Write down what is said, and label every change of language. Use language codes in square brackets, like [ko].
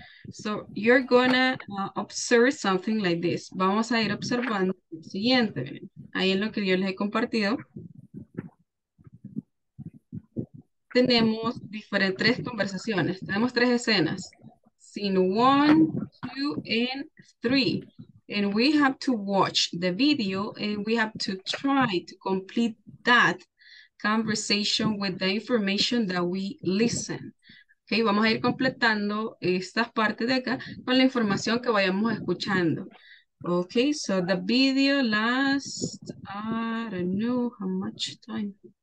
[en] So, you're gonna observe something like this. [es] Vamos a ir observando lo siguiente. Ahí en lo que yo les he compartido, tenemos diferentes tres conversaciones. Tenemos tres escenas. [en] Scene 1, 2, and 3. And we have to watch the video and we have to try to complete that conversation with the information that we listen. [es] Okay, vamos a ir completando estas partes de acá con la información que vayamos escuchando. [en] Okay, so the video lasts, I don't know how much time.